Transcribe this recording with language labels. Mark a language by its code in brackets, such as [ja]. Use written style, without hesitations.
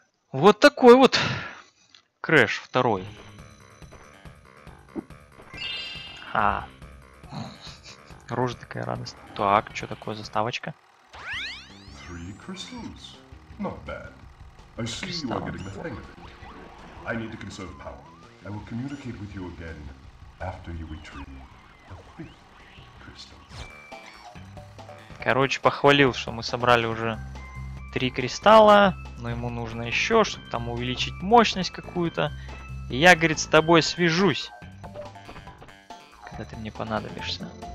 [ru] Вот такой вот Крэш второй. А. Рожа такая радость. Так, что такое заставочка? [en] Three crystals. Not bad. I see you are getting the hang of it. I need to conserve power. I will communicate with you again after you retrieve the fifth crystal. [ru] Короче, похвалил, что мы собрали уже 3 кристалла, но ему нужно еще, чтобы там увеличить мощность какую-то. И я, говорит, с тобой свяжусь, когда ты мне понадобишься.